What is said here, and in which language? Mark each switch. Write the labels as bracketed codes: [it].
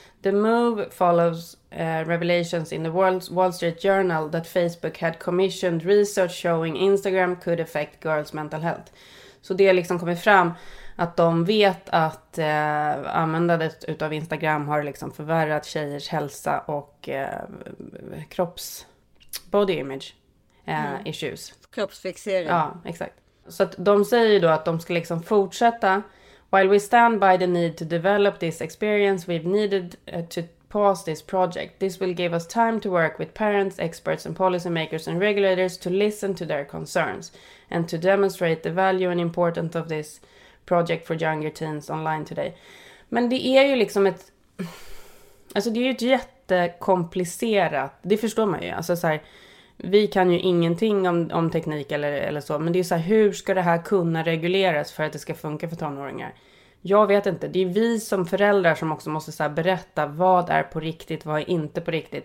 [en] The move follows revelations in the Wall Street Journal that Facebook had commissioned research showing Instagram could affect girls' mental health. [sv] Så det liksom kommer fram att de vet att användandet utav Instagram har liksom förvärrat tjejers hälsa och kropps [en] body image issues. [sv] Kroppsfixering. Ja, exakt. Så att de säger ju då att de ska liksom fortsätta. [en] While we stand by the need to develop this experience, we've needed to pause this project. This will give us time to work with parents, experts and policymakers and regulators to listen to their concerns and to demonstrate the value and importance of this project for younger teens online today. [sv] Men det är ju liksom ett, alltså det är ju ett jättekomplicerat, det förstår man ju, alltså så här, vi kan ju ingenting om teknik eller så, men det är så här, hur ska det här kunna regleras för att det ska funka för tonåringar? Jag vet inte, det är vi som föräldrar som också måste så här berätta vad är på riktigt, vad är inte på riktigt.